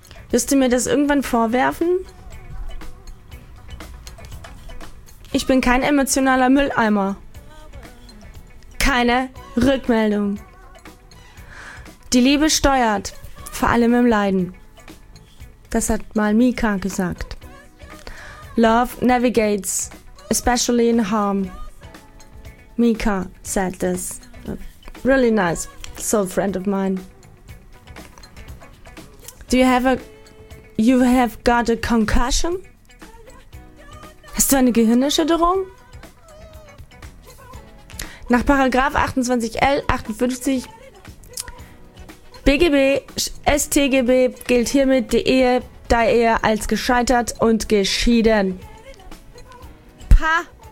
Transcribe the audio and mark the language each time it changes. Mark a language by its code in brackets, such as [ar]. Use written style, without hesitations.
[de] Wirst du mir das irgendwann vorwerfen? Ich bin kein emotionaler Mülleimer. Keine Rückmeldung. Die Liebe steuert, vor allem im Leiden. Das hat mal Mika gesagt. [en] Love navigates, especially in harm. Mika said this. Really nice, soul friend of mine. You have got a concussion? [de] Hast du eine Gehirnerschütterung? Nach Paragraph 28L 58 BGB StGB gilt hiermit die Ehe als gescheitert und geschieden. Pa!